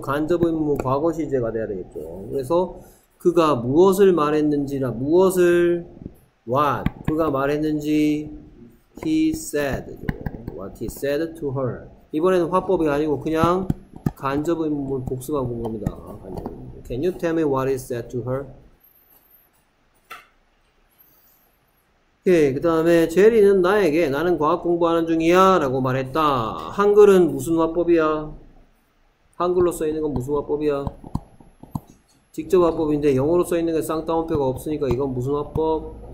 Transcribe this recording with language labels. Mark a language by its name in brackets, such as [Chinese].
[Korean] 간접 의문문 과거 시제가 돼야 되겠죠. 그래서 그가 무엇을 말했는지라, 무엇을 what 그가 말했는지 [English] he said what he said to her. [Korean] 이번에는 화법이 아니고 그냥 간접 의문문 복수가 본 겁니다. [English] Can you tell me what he said to her? [Korean] 그 다음에 제리는 나에게 나는 과학 공부하는 중이야 라고 말했다. 한글은 무슨 화법이야? 한글로 써있는 건 무슨 화법이야? 직접 화법인데 영어로 써있는 게 쌍따옴표가 없으니까 이건 무슨 화법?